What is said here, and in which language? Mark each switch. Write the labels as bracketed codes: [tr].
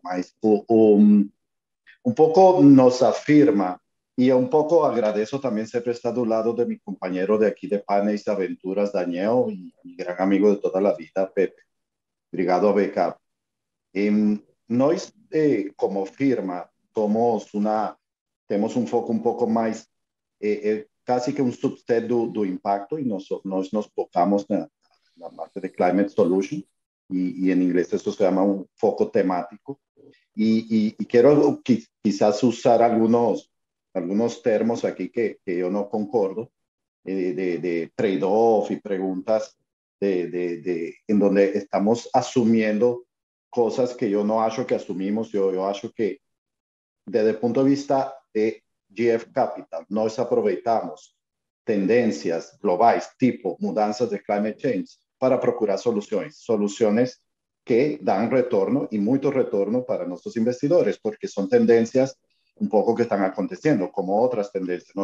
[pt] Mas um pouco nos afirma, e um pouco agradeço também sempre estar do lado de meu companheiro de aqui de Panes Aventuras, Daniel, e grande amigo de toda a vida, Pepe. Obrigado, Becap. Nós, como firma, somos temos um foco um pouco mais... [es] casi que un subset do impacto, y nosotros nos enfocamos en la parte de Climate Solution, y en inglés esto se llama un foco temático. Y quiero quizás usar algunos términos aquí que yo no concordo, de trade-off y preguntas de en donde estamos asumiendo cosas que yo no acho que asumimos. Yo acho que desde el punto de vista de GF Capital, [pt] nós aproveitamos tendências globais, tipo mudanças de climate change, para procurar soluções. Soluções que dão retorno e muito retorno para nossos investidores, porque são tendências um pouco que estão acontecendo, como outras tendências.